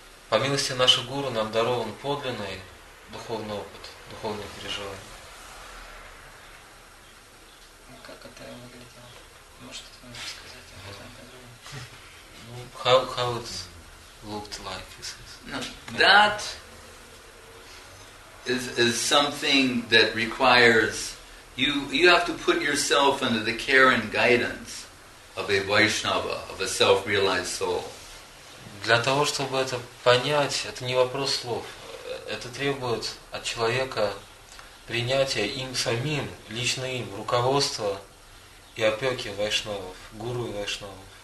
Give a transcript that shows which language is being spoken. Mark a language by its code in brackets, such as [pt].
[ru] По милости нашего гуру нам дарован подлинный духовный опыт, духовное переживание. Как это выглядело? Может, это можно сказать об этом? [en] How it looked like? No, that is something that requires you have to put yourself under the care and guidance of a Vaishnava, of a self-realized soul. [ru] Для того чтобы это понять, это не вопрос слов. Это требует от человека принятия им самим, лично им, руководства и опеки вайшнавов, гуру и вайшнавов.